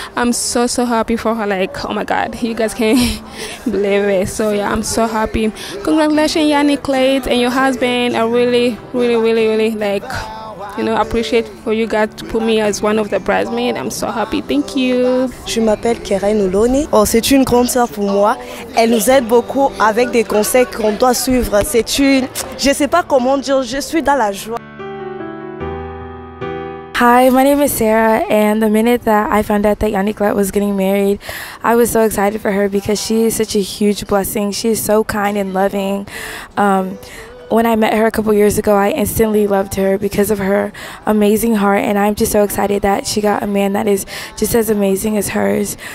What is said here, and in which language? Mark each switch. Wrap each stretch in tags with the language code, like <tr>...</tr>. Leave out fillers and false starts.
<en>I'm so, so happy for her. Like, oh, my God. You guys can't believe it. So, yeah, I'm so happy. Congratulations, Niclette and your husband. I really, really, really, really, like, you know, I appreciate for you guys to put me as one of the bridesmaids. I'm so happy. Thank you.</en> <fr>Je m'appelle Keren Oloni. Oh, c'est une grande sœur pour moi. Elle nous aide beaucoup avec des conseils qu'on doit suivre. C'est une, je sais pas comment dire, je suis dans la joie.</fr> <en>Hi, my name is Sarah, and the minute that I found out that Niclette was getting married, I was so excited for her because she is such a huge blessing. She is so kind and loving. When I met her a couple years ago, I instantly loved her because of her amazing heart, and I'm just so excited that she got a man that is just as amazing as hers.</en>